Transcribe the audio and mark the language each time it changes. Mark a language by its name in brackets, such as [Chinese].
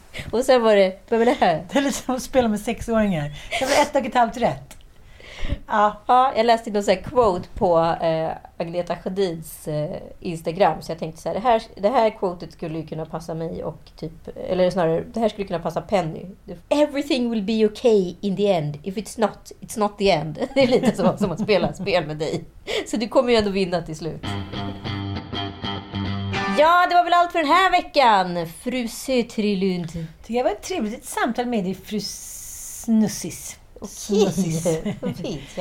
[Swedish] Och sen var det, vad var det här? Det är lite som att spela med sexåringar. Det var ett och ett halvt rätt. Ja. Ja, jag läste någon sån här quote på Agneta Sjödins Instagram, så jag tänkte så här, det här quotet skulle ju kunna passa mig och typ, eller snarare, det här skulle kunna passa Penny. [English] Everything will be okay in the end, if it's not the end. [Swedish] Det är lite så, som att spela spel med dig, så du kommer ju ändå vinna till slut. Ja, det var väl allt för den här veckan, Fruse Trilund. Det var ett trevligt samtal med dig, Frusnussis. Okej.